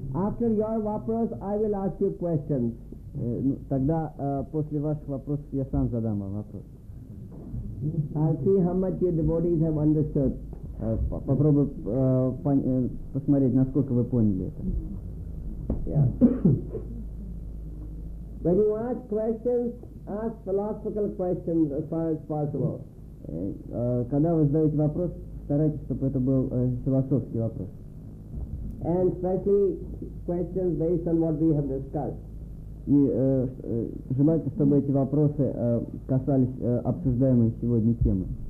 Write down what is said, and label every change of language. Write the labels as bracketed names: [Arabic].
[English] After your vapras, I will ask you questions. [Russian] Тогда после ваших вопросов я сам задам вам вопрос. [English] I'll see how much your devotees have understood. [Russian] Попробую посмотреть, насколько вы поняли это. [English] When you ask questions, ask philosophical questions as far as possible. [Russian] Когда вы задаете вопрос, старайтесь, чтобы это был философский вопрос. [English] And especially questions based on what we have discussed. [Russian] И желательно, чтобы эти вопросы касались обсуждаемой сегодня темы.